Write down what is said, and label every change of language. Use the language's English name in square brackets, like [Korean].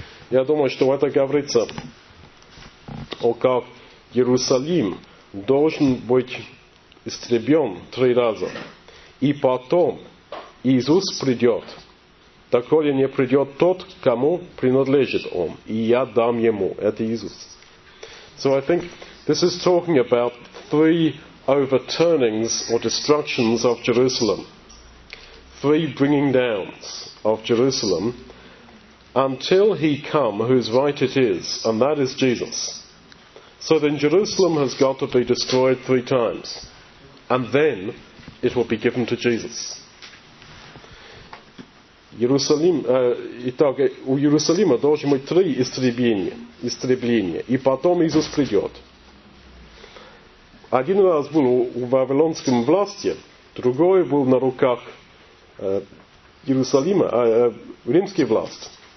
[Russian] Я думаю, что это говорится о как Иерусалим должен быть истребен три раза. И потом Иисус придет, доколе не придет тот, кому принадлежит он, и я дам ему. Это Иисус. [English] So I think this is talking about three overturnings or destructions of Jerusalem. Three bringing downs of Jerusalem until he come whose right it is, and that is Jesus. So then Jerusalem has got to be destroyed three times, and then it will be given to Jesus. [Russian] Итак, у Иерусалима должно быть три истребления, и потом Иисус придет. Один раз был в вавилонском власти, другой был на руках Иерусалима, римский власт.